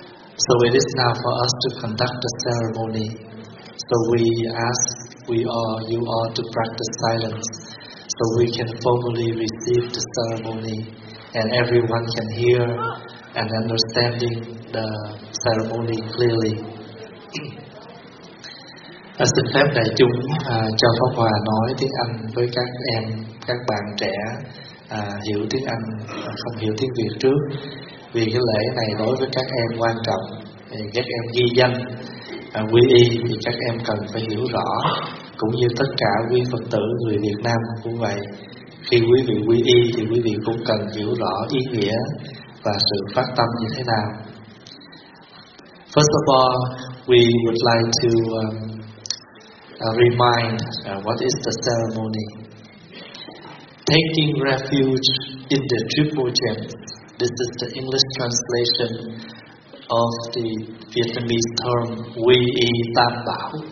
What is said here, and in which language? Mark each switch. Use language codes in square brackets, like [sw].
[en] So it is now for us to conduct the ceremony. So we ask you all to practice silence, so we can formally receive the ceremony and everyone can hear and understanding the ceremony clearly. [vi] Xin phép đại chúng cho Pháp Hòa nói tiếng Anh với các em, các bạn trẻ hiểu tiếng Anh, không hiểu tiếng Việt trước, vì cái lễ này đối với các em quan trọng. Các em ghi danh quy y thì các em cần phải hiểu rõ, cũng như tất cả quý Phật tử người Việt Nam cũng vậy. Khi quý vị quy y thì quý vị cũng cần hiểu rõ ý nghĩa và sự phát tâm như thế nào. [en] First of all, we would like to remind what is the ceremony. Taking refuge in the Triple Gems. This is the English translation of the Vietnamese term quy y tam bảo.